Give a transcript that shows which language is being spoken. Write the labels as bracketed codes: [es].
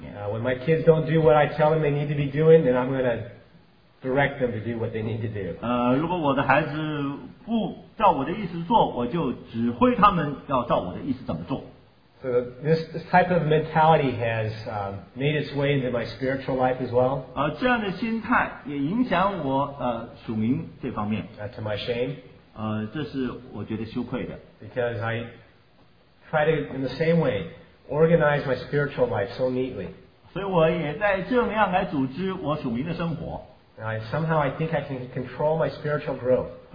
[en] When my kids don't do what I tell them they need to be doing, then I'm going to direct them to do what they need to do. [zh] 如果我的孩子不照我的意思做, 我就指挥他们要照我的意思怎么做。 [en] So this type of mentality has made its way into my spiritual life as well. [zh] 这样的心态也影响我, 属灵这方面。 [en] To my shame. [zh] 这是我觉得羞愧的。 [en] Because I try to, in the same way, organize my spiritual life so neatly. [zh] 所以我也在这样来组织我属灵的生活。 [en] Somehow I think I can control my spiritual growth.